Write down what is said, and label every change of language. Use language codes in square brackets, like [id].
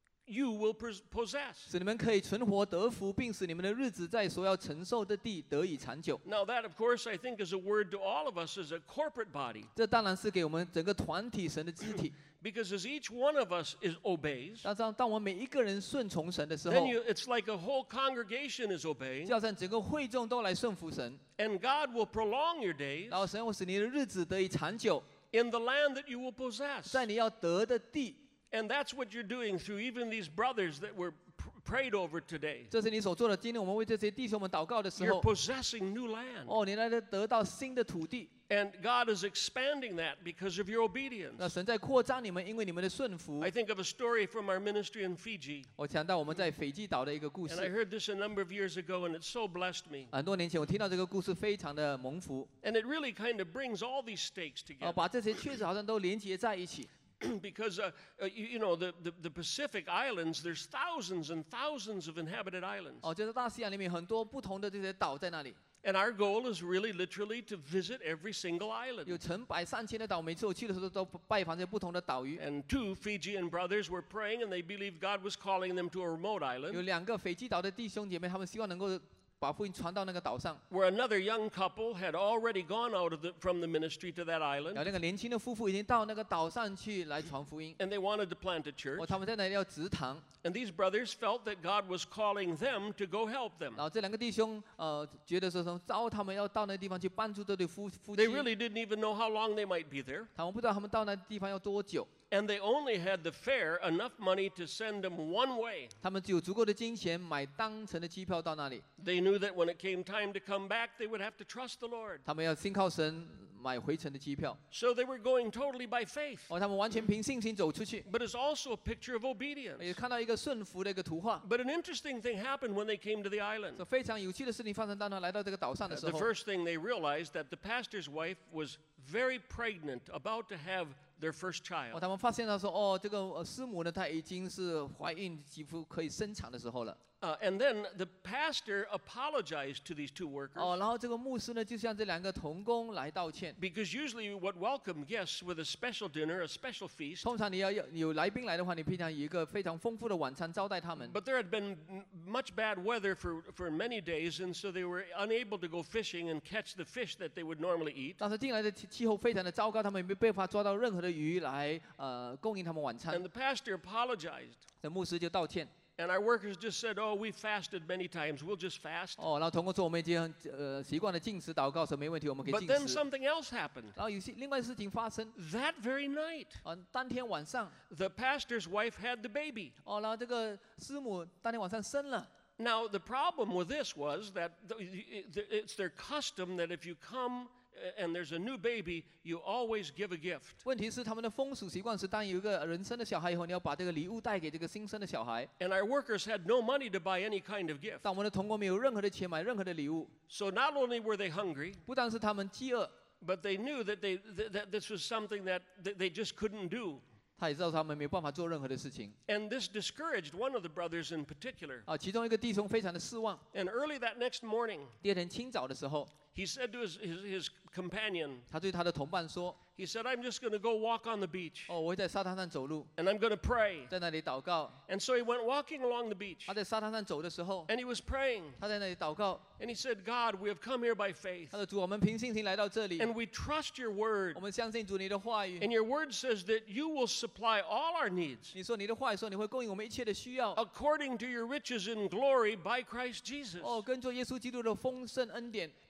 [en] you will possess. [zh] 使你们可以存活得福，并使你们的日子在所要承受的地得以长久。 [en] Now that, of course, I think is a word to all of us as a corporate body. [zh] 这当然是给我们整个团体神的肢体。 [en] Because as each one of us is obeys, [zh] 当我们每一个人顺从神的时候 [en] then you, it's like a whole congregation is obeying. [zh] 就好像整个会众都来顺服神。 [en] And God will prolong your days. [zh] 然后神会使你的日子得以长久。 [en] In the land that you will possess. [zh] 在你要得的地。 [en] And that's what you're doing through even these brothers that were prayed over today. [zh] 这是你所做的。今天我们为这些弟兄们祷告的时候 [en] you're possessing new land. [zh] 哦，你来得到新的土地。 [en] And God is expanding that because of your obedience. [zh] 那神在扩张你们，因为你们的顺服。 [en] I think of a story from our ministry in Fiji. [zh] 我想到我们在斐济岛的一个故事。 [en] And I heard this a number of years ago, and it so blessed me. [zh] 很多年前我听到这个故事，非常的蒙福。 [en] And it really kind of brings all these stakes together. [zh] 哦，把这些确实好像都连接在一起。 [en] Because you know the Pacific Islands, there's thousands and thousands of inhabited islands. [zh] 哦，就是大西洋里面很多不同的这些岛在那里。 [en] And our goal is really literally to visit every single island. [zh] 有成百上千的岛，每次我去的时候都拜访这不同的岛屿。 [en] And two Fijian brothers were praying, and they believed God was calling them to a remote island. [zh] 有两个斐济岛的弟兄姐妹，他们希望能够把福音传到那个岛上。 [en] Where another young couple had already gone out of from the ministry to that island. [zh] 那个年轻的夫妇已经到那个岛上去来传福音。 [en] And they wanted to plant a church. [zh] 他们在那里要植堂。 [en] And these brothers felt that God was calling them to go help them. [zh] 然后这两个弟兄，觉得说召他们要到那地方去帮助这对夫妻。 [en] They really didn't even know how long they might be there. [zh] 他们不知道他们到那地方要多久。 [en] And they only had the fare, enough money to send them one way. [zh] 他们只有足够的金钱买单程的机票到那里。 [en] They knew that when it came time to come back, they would have to trust the Lord. [zh] 他们要信靠神买回程的机票。 [en] So they were going totally by faith. [zh] 他们完全凭信心走出去。 [en] But it's also a picture of obedience. [zh] 也看到一个顺服的一个图画。 [en] But an interesting thing happened when they came to the island. [zh] 非常有趣的事情发生当他来到这个岛上的时候。 [en] The first thing they realized that the pastor's wife was very pregnant, about to have their first child. [zh] 他们发现他说，哦，这个师母呢，她已经是怀孕，几乎可以生产的时候了。 [en] And then the pastor apologized to these two workers. [zh] 哦，然后这个牧师呢，就向这两个童工来道歉。 [en] Because usually, what welcome guests with a special dinner, a special feast. [zh] 通常你要有来宾来的话，你平常有一个非常丰富的晚餐招待他们。 [en] But there had been much bad weather for many days, and so they were unable to go fishing and catch the fish that they would normally eat. [zh] 但是进来的气候非常的糟糕，他们没办法抓到任何的鱼来供应他们晚餐。 [en] And the pastor apologized. [zh] 这牧师就道歉。 [en] And our workers just said, "Oh, we fasted many times. We'll just fast." [zh] Oh, 然后同工说我们已经习惯了禁食祷告，说没问题，我们可以禁食。 [en] But then something else happened. [zh] 然后有些另外事情发生。 [en] That very night. [zh] 当天晚上。 [en] The pastor's wife had the baby. [zh] 然后这个师母当天晚上生了。 [en] Now the problem with this was that it's their custom that if you come and there's a new baby, you always give a gift. [zh] 问题是他们的风俗习惯是，当有一个人生的小孩以后，你要把这个礼物带给这个新生的小孩。 [en] And our workers had no money to buy any kind of gift. [zh] 但我们的同工没有任何的钱买任何的礼物。 [en] So not only were they hungry, [zh] 不但是他们饥饿， [en] but they knew that that this was something that they just couldn't do. [zh] 他也知道他们没有办法做任何的事情。 [en] And this discouraged one of the brothers in particular. [zh] 其中一个弟兄非常的失望。 [en] And early that next morning, [zh] 第二天清早的时候。 [en] He said to his companion, [zh] 他对他的同伴说, [en] He said, I'm just going to go walk on the beach. [zh] 哦，我会在沙滩上走路, [en] and I'm going to pray. [zh] 在那里祷告, [en] and so he went walking along the beach. [zh] 他在沙滩上走的时候, [en] and he was praying. [zh] 他在那里祷告, [en] and he said, God, we have come here by faith. [zh] 他说, 主, 我们凭信心来到这里, [en] and we trust your word. [zh] 我们相信主你的话语, [en] and your word says that you will supply all our needs. [zh] 你说你的话语说你会供应我们一切的需要, [en] according to your riches in glory by Christ Jesus. [zh] 哦，跟着耶稣基督的丰盛恩典。